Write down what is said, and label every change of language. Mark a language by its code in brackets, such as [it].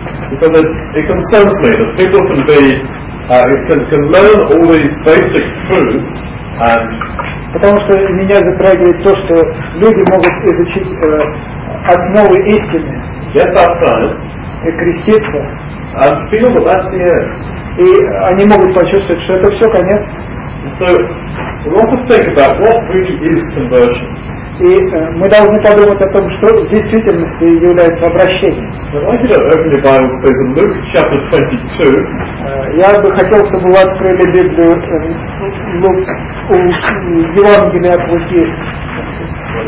[en] Because it concerns me that people can be can learn all these basic truths and. [ru] Потому что меня затрагивает то, что люди могут изучить основы истины. [en] Get baptized. [ru] И креститься. [en] And feel that that's the end. [ru] И они могут почувствовать, что это все конец. [en] So we often think about what really is conversion. [ru] И мы должны подумать о том, что в действительности является обращением. Я бы хотел, чтобы вы открыли Библию у Евангелия от Луки